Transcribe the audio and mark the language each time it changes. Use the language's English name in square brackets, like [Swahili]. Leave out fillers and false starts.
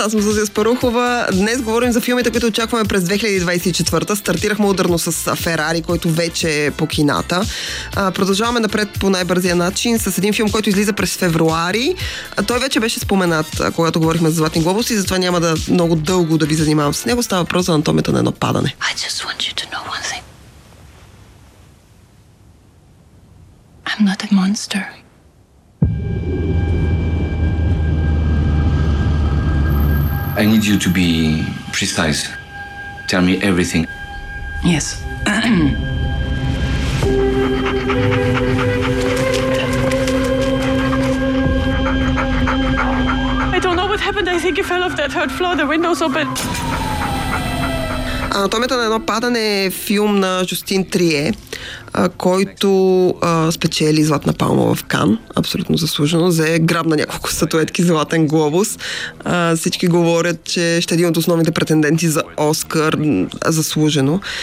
[Bulgarian] Аз съм Зузия Спарухова. Днес говорим за филмите, които очакваме през 2024-та. Стартирахме ударно с Ферари, който вече е по кината. Продължаваме напред по най-бързия начин с един филм, който излиза през февруари. Той вече беше споменат, когато говорихме за Златни глобуси, затова няма да много дълго да ви занимавам с него. Става въпрос за анатомията на едно падане. [English] I just want you to know one thing. I'm not a monster. I need you to be precise. Tell me everything. Yes. I don't know what happened. I think you fell off that third floor. The window's open. [Bulgarian] Анатомията на едно падане е филм на Жустин Трие, който спечели Златна палма в Кан, абсолютно заслужено, за грабна няколко статуетки Златен глобус. Всички говорят, че ще е един от основните претенденти за Оскар, заслужено.